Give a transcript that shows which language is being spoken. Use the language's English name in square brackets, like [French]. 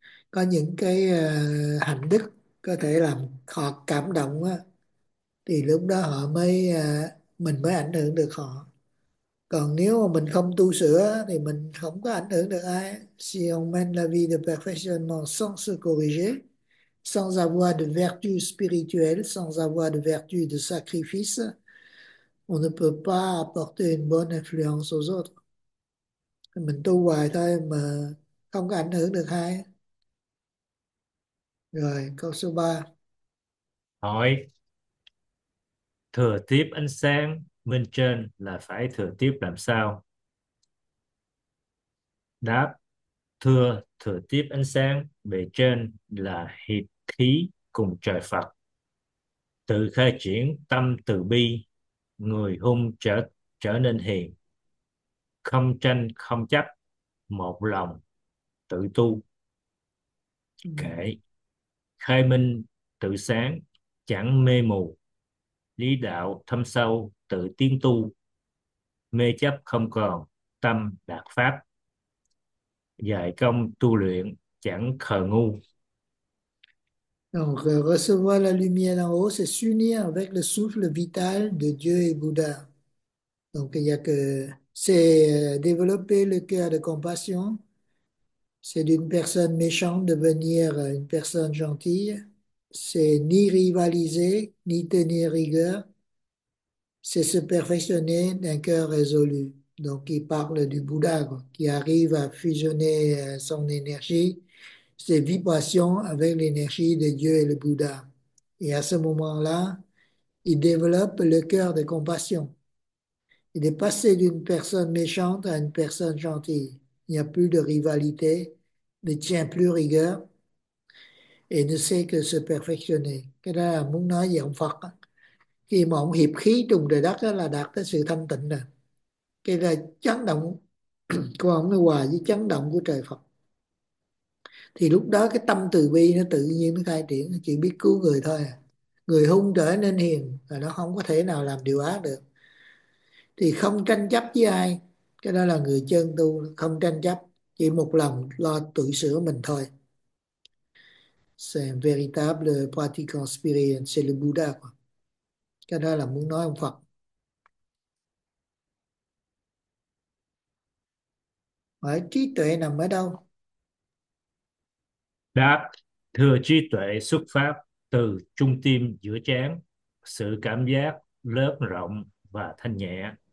[Vietnamese] Có những cái hạnh đức có thể làm họ cảm động á, thì lúc đó họ mới mình mới ảnh hưởng được họ. Còn nếu mà mình không tu sửa thì mình không có ảnh hưởng được ai. [French] Si on mène la vie de perfectionnement sans se corriger, sans avoir de vertu spirituelle, sans avoir de vertu de sacrifice, on ne peut pas apporter une bonne influence aux autres. [Vietnamese] Mình tu hoài thôi mà không có ảnh hưởng được ai. Rồi, câu số 3. Hỏi thừa tiếp ánh sáng bên trên là phải thừa tiếp làm sao? Đáp: thừa thừa tiếp ánh sáng bề trên là hiệp khí cùng trời Phật, tự khai triển tâm từ bi, người hung trở trở nên hiền, không tranh không chấp, một lòng tự tu, kệ khai minh tự sáng, chẳng mê mù, lý đạo thâm sâu tự tiến tu, mê chấp không còn, tâm đạt pháp, dạy công tu luyện chẳng khờ ngu. [French] Donc, recevoir la lumière d'en haut, c'est s'unir avec le souffle vital de Dieu et Bouddha. Donc, il y a que c'est développer le cœur de compassion. C'est d'une personne méchante devenir une personne gentille. C'est ni rivaliser, ni tenir rigueur. C'est se perfectionner d'un cœur résolu. Donc, il parle du Bouddha, quoi, qui arrive à fusionner son énergie, ses vibrations avec l'énergie de Dieu et le Bouddha. Et à ce moment-là, il développe le cœur de compassion. Il est passé d'une personne méchante à une personne gentille. Il n'y a plus de rivalité, ne tient plus rigueur et ne sait que se perfectionner. [Vietnamese] Cái đó là muốn nói về ông Phật. Khi mà ông hiệp khí trong trời đất đó là đạt tới sự thanh tịnh rồi. Cái là chấn động của ông nó hòa với chấn động của trời Phật. Thì lúc đó cái tâm từ bi nó tự nhiên nó khai triển, nó chỉ biết cứu người thôi. Người hung trở nên hiền và nó không có thể nào làm điều ác được. Thì không tranh chấp với ai. Cái đó là người chân tu không tranh chấp, chỉ một lòng lo tự sửa mình thôi. [French] C'est un véritable pratiquant spirituel, c'est le Bouddha quoi. [Vietnamese] Cái đó là muốn nói ông Phật. Hỏi trí tuệ nằm ở đâu? Đáp: thưa, trí tuệ xuất phát từ trung tim giữa trán, sự cảm giác lớn rộng và thanh nhẹ.